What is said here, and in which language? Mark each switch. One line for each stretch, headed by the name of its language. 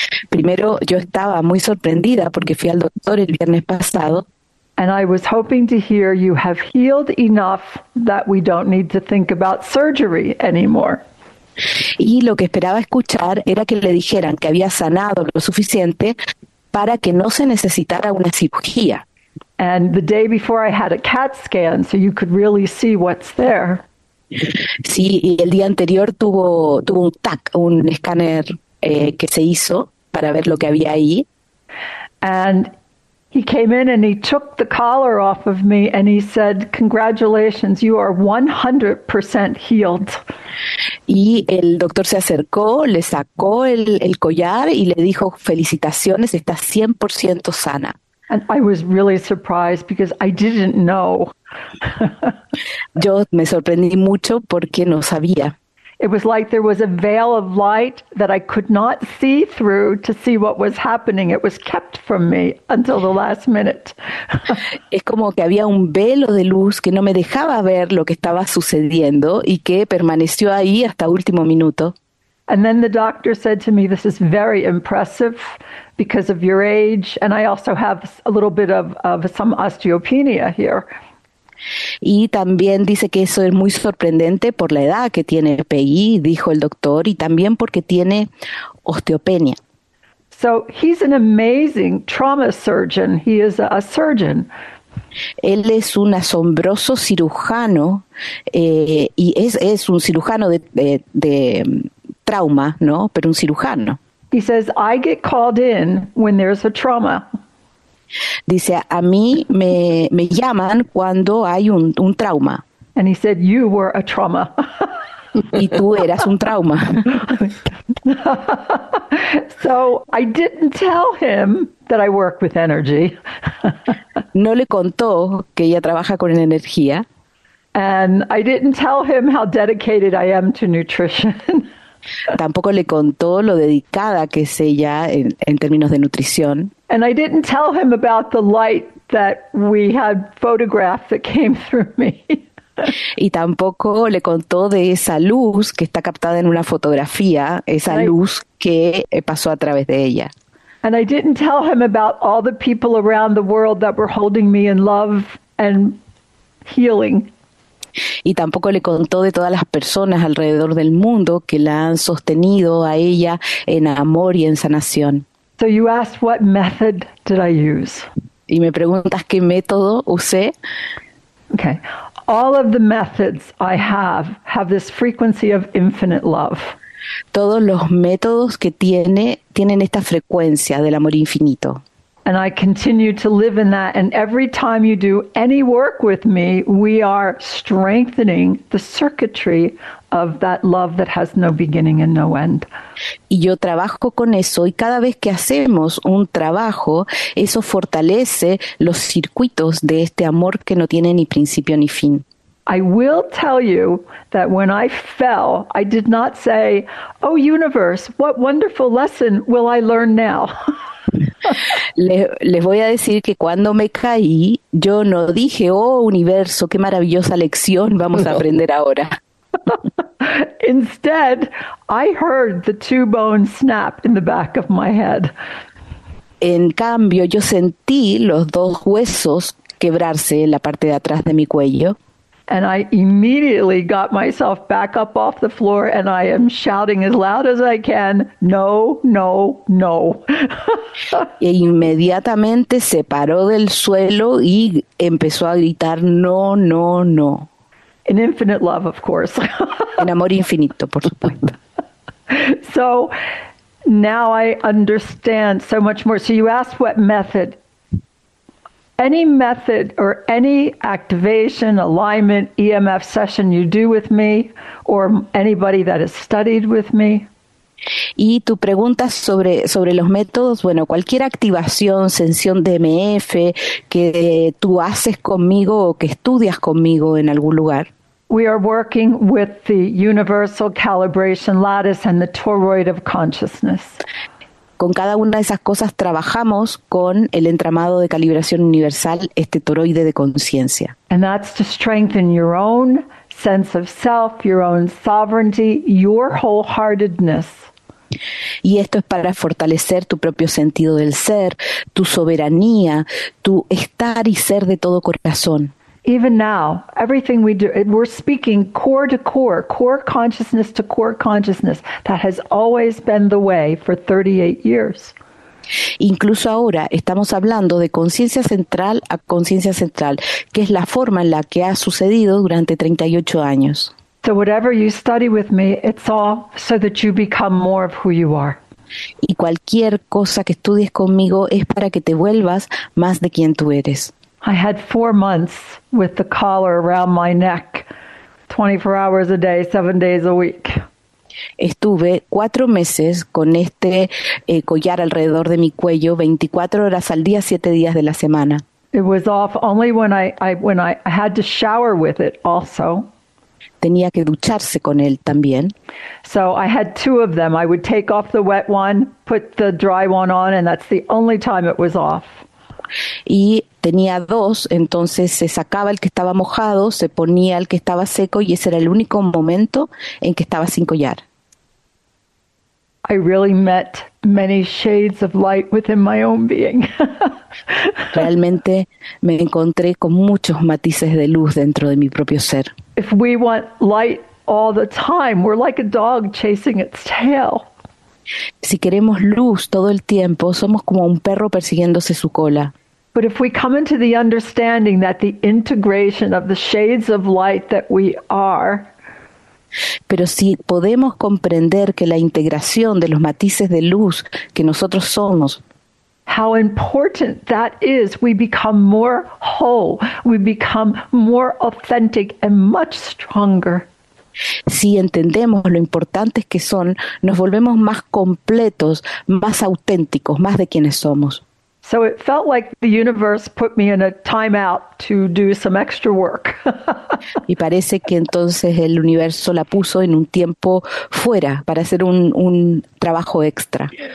Spanish: Primero, yo estaba muy sorprendida porque fui al doctor el viernes pasado.
English: And I was hoping to hear you have healed enough that we don't need to think about surgery anymore.
Spanish: Y lo que esperaba escuchar era que le dijeran que había sanado lo suficiente para que no se necesitara una cirugía.
English: And the day before I had a CAT scan, so you could really see what's there.
Spanish: Sí, y el día anterior tuvo un TAC, un escáner que se hizo para ver lo que había ahí.
English: And he came in and he took the collar off of me and he said, "Congratulations, you are 100% healed."
Spanish: Y el doctor se acercó, le sacó el collar y le dijo, "Felicitaciones, estás 100% sana."
English: And I was really surprised because I didn't know.
Spanish: Yo me sorprendí mucho porque no sabía.
English: It was like there was a veil of light that I could not see through to see what was happening. It was kept from me until the last minute.
Spanish: Es como que había un velo de luz que no me dejaba ver lo que estaba sucediendo y que permaneció ahí hasta último minuto.
English: And then the doctor said to me, "This is very impressive because of your age, and I also have a little bit of some osteopenia here."
Spanish: Y también dice que eso es muy sorprendente por la edad que tiene Peggy, dijo el doctor, y también porque tiene osteopenia.
English: So he's an amazing trauma surgeon. He is a surgeon.
Spanish: Él es un asombroso cirujano y es un cirujano de trauma, ¿no? Pero un cirujano.
English: He says, "I get called in when there's a trauma."
Spanish: Dice, a mí me llaman cuando hay un trauma.
English: And he said, "You were a trauma."
Spanish: Y tú eras un trauma.
English: So I didn't tell him that I work with energy.
Spanish: No le contó que ella trabaja con energía.
English: And I didn't tell him how dedicated I am to nutrition.
Spanish: Tampoco le contó lo dedicada que es ella en términos de nutrición.
English: And I didn't tell him about the light that we had photographed that came through me.
Spanish: Y tampoco le contó de esa luz que está captada en una fotografía, esa luz que pasó a través de ella.
English: And I didn't tell him about all the people around the world that were holding me in love and healing.
Spanish: Y tampoco le contó de todas las personas alrededor del mundo que la han sostenido a ella en amor y en sanación.
English: So you asked what method did I use?
Spanish: Y me preguntas qué método usé.
English: Okay. All of the methods I have this frequency of infinite love.
Spanish: Todos los métodos que tienen esta frecuencia del amor infinito.
English: And I continue to live in that. And every time you do any work with me, we are strengthening the circuitry of that love that has no beginning and no end.
Spanish: Y yo trabajo con eso. Y cada vez que hacemos un trabajo, eso fortalece los circuitos de este amor que no tiene ni principio ni fin.
English: I will tell you that when I fell, I did not say, "Oh, universe, what wonderful lesson will I learn now?"
Spanish: Les voy a decir que cuando me caí, yo no dije, oh universo, qué maravillosa lección vamos a aprender ahora.
English: Instead, I heard the two bones snap in the back of my head.
Spanish: En cambio, yo sentí los dos huesos quebrarse en la parte de atrás de mi cuello.
English: And I immediately got myself back up off the floor and I am shouting as loud as I can, no, no, no.
Spanish: Y inmediatamente se paró del suelo y empezó a gritar, no, no, no.
English: In infinite love, of course.
Spanish: En amor infinito, por supuesto.
English: So now I understand so much more. So you asked what method. Any method or any activation, alignment, EMF session you do with me or anybody that has studied with me.
Spanish: Y tu pregunta sobre los métodos, bueno, cualquier activación, sesión de EMF que tú haces conmigo o que estudias conmigo en algún lugar.
English: We are working with the universal calibration lattice and the toroid of consciousness.
Spanish: Con cada una de esas cosas trabajamos con el entramado de calibración universal, este toroide de conciencia.
English: And that's to strengthen your own sense of self, your own sovereignty, your wholeheartedness.
Spanish: Y esto es para fortalecer tu propio sentido del ser, tu soberanía, tu estar y ser de todo corazón.
English: Even now, everything we do, we're speaking core to core, core consciousness to core consciousness. That has always been the way for 38 years.
Spanish: Incluso ahora estamos hablando de conciencia central a conciencia central, que es la forma en la que ha sucedido durante 38 años.
English: So whatever you study with me, it's all so that you become more of who you are.
Spanish: Y cualquier cosa que estudies conmigo es para que te vuelvas más de quien tú eres.
English: I had 4 months with the collar around my neck, 24 hours a day, 7 days a week.
Spanish: Estuve 4 meses con este collar alrededor de mi cuello, 24 horas al día, 7 días de la semana.
English: It was off only when I had to shower with it also.
Spanish: Tenía que ducharse con él también.
English: So I had two of them. I would take off the wet one, put the dry one on, and that's the only time it was off.
Spanish: Y tenía dos, entonces se sacaba el que estaba mojado, se ponía el que estaba seco y ese era el único momento en que estaba sin collar.
English: I really met many shades of light within my own being.
Spanish: Realmente me encontré con muchos matices de luz dentro de mi propio ser.
English: If we want light all the time, we're like a dog chasing its tail.
Spanish: Si queremos luz todo el tiempo, somos como un perro persiguiéndose su cola.
English: But if we come into the understanding that the integration of the shades of light that we are.
Spanish: Pero si podemos comprender que la integración de los matices de luz que nosotros somos.
English: How important that is, we become more whole, we become more authentic and much stronger.
Spanish: Si entendemos lo importantes que son, nos volvemos más completos, más auténticos, más de quienes somos.
English: So it felt like the universe put me in a time out to do some extra work.
Spanish: Y parece que entonces el universo la puso en un tiempo fuera para hacer un trabajo extra.